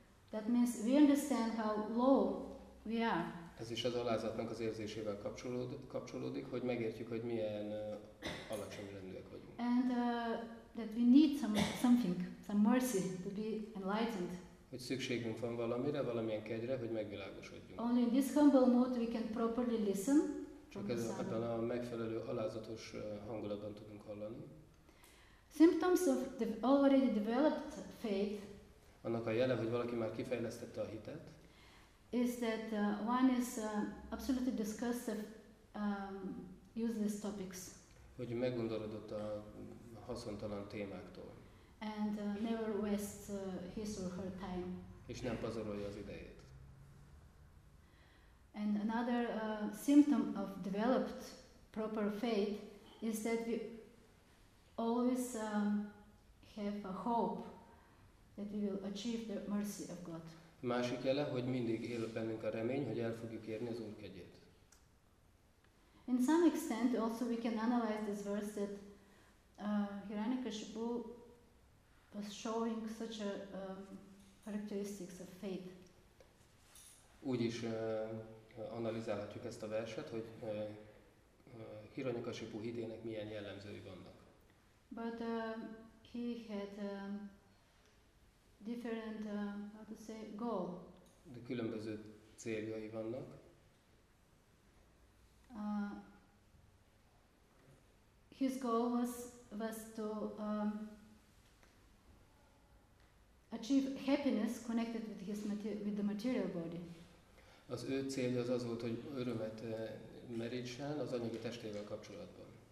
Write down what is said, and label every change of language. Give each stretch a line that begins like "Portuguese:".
English: That means we understand how low we are.
Hungarian: Ez is az alázatnak az érzésével kapcsolódik, hogy megértjük, hogy milyen alacsony rendűek vagyunk.
English: And that we need some mercy to be enlightened.
Hungarian: Hogy szükségünk van valamire, valamilyen kegyre, hogy megvilágosodjunk.
English: Only in this humble mood we can properly listen.
Hungarian: Csak ebben a megfelelő alázatos hangulatban tudunk hallani.
English: Symptoms of the already developed faith.
Hungarian: Annak a jele, hogy valaki már kifejlesztette a hitet.
English: Is that one is absolutely disgusted useless topics.
Hungarian: Hogy megundorodott a haszontalan témáktól.
English: And never wastes his or her time.
Hungarian: És nem pazarolja az idejét.
English: And another symptom of developed proper faith is that we always have a hope that we will achieve the mercy of God.
Hungarian: Másik jele, hogy mindig él bennünk a remény, hogy el fogjuk érni az Úr kegyét.
English: In some extent also we can analyze this verse that Hiranyakashipu was showing such a characteristics of faith.
Hungarian: Úgy is analizálhatjuk ezt a verset, hogy Hiranyakashipu hitének milyen jellemzői vannak.
English: But he had different, how to say, goal.
Hungarian: De különböző céljai vannak.
English: His goal was to achieve happiness connected with his with the material body.
Hungarian: Az ő célja az volt, hogy örömet merítsen az anyagi testével kapcsolatban.